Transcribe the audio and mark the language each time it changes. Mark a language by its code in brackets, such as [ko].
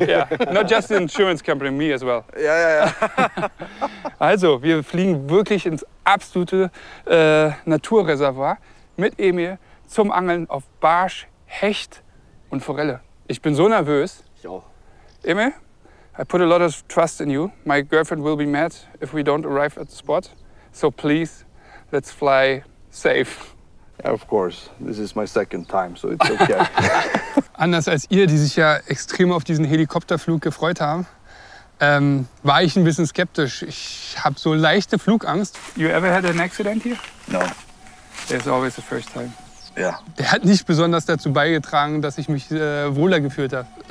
[en] Yeah, not just the insurance company, me as well. Yeah. [de] Also, wir fliegen wirklich ins absolute Naturreservoir mit Emil zum Angeln auf Barsch, Hecht und Forelle. Ich bin so nervös. Ich auch. Emil? [en] I put a lot of trust in you. My girlfriend will be mad if we don't arrive at the spot. So please, let's fly safe. Yeah, of course, this is my second time, so it's okay. [de] Anders als ihr, die sich ja extrem auf diesen Helikopterflug gefreut haben, war ich ein bisschen skeptisch. Ich habe so leichte Flugangst. [en] You ever had an accident here? No. There's always the first time. Yeah. [de] Der hat nicht besonders dazu beigetragen, dass ich mich wohler gefühlt habe.